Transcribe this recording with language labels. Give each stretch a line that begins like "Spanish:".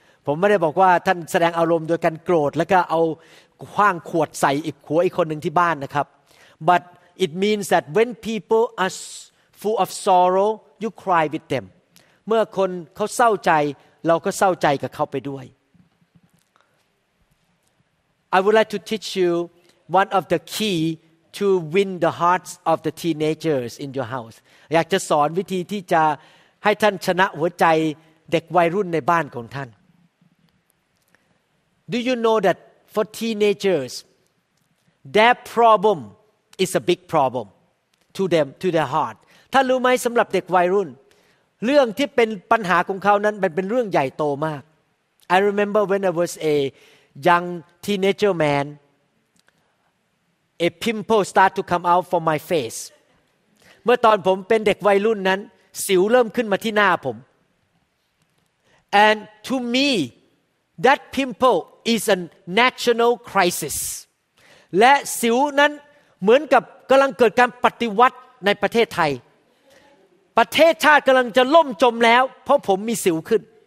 Thai: ผมไม่ได้บอกว่าท่านแสดงอารมณ์โดยการโกรธแล้วก็เอาขว้างขวดใส่อีกหัวอีกคนหนึ่งที่บ้านนะครับ
English: but it means that when people are full of sorrow you cry with them
Thai: เมื่อคนเขาเศร้าใจเราก็เศร้าใจกับเขาไปด้วย
English: I would like to teach you one of the keyto win the hearts of the teenagers in your house
Thai: อยากจะสอนวิธีที่จะให้ท่านชนะหัวใจเด็กวัยรุ่นในบ้านของท่าน
English: Do you know that for teenagers their problem is a big problem to them to their heart
Thai: ท่านรู้ไหมสำหรับเด็กวัยรุ่น เรื่องที่เป็นปัญหาของเขานั้นมันเป็นเรื่องใหญ่โตมาก
English: I remember when I was a young teenager man a pimple start to come out from my face
Thai: เมื่อตอนผมเป็นเด็กวัยรุ่นนั้นสิวเริ่มขึ้นมาที่หน้าผม
English: and to me that pimple is a national crisis
Thai: และสิวนั้นเหมือนกับกำลังเกิดการปฏิวัติในประเทศไทยประเทศชาติกำลังจะล่มจมแล้วเพราะผมมีสิวขึ้น